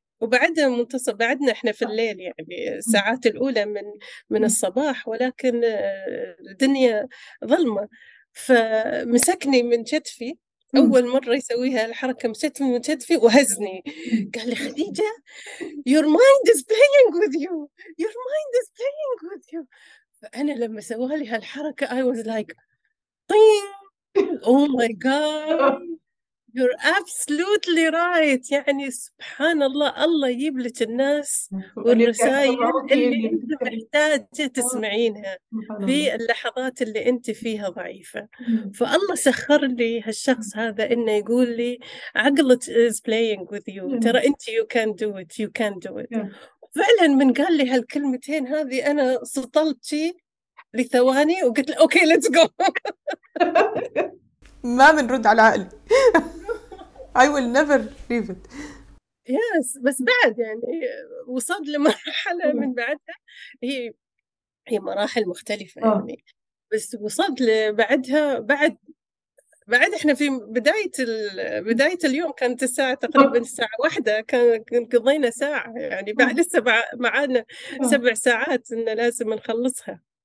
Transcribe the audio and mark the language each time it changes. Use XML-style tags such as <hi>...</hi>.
<ar>وبعدها منتصف بعدنا احنا في الليل يعني الساعات الأولى من الصباح، ولكن الدنيا ظلمة. فمسكني من كتفي، أول مرة يسويها الحركة، مسكني من كتفي وهزني، قال لي خديجة</ar> <en>your mind is playing with you.</en> <ar>فأنا لما سوها لي هالحركة</ar> <en>I was like</en> <ar>طين</ar> <en>oh my god you're absolutely right.</en> <ar>يعني سبحان الله، الله يجيب لك الناس والرسائل اللي انت محتاجة تسمعينها في اللحظات اللي انت فيها ضعيفة. فالله سخر لي هالشخص هذا انه يقول لي عقلك</ar> <en>is playing with you،</en> <ar>ترى انت</ar> <en>you can do it.</en> <ar>فعلا من قال لي هالكلمتين هذه انا سطلت شي لثواني وقلت له اوكي</ar> <en>let's go</en> <ar>ما بنرد على عقلي</ar> <en>I will never leave it. Yes,</en> <ar>بس بعد يعني وصلت لمرحلة من بعدها، هي مراحل مختلفة يعني، بس وصلت لبعدها بعد احنا في بداية اليوم كانت الساعة تقريبا الساعة 1، كان قضينا ساعة يعني بعد لسه معانا 7 ساعات انه لازم نخلصها.</ar>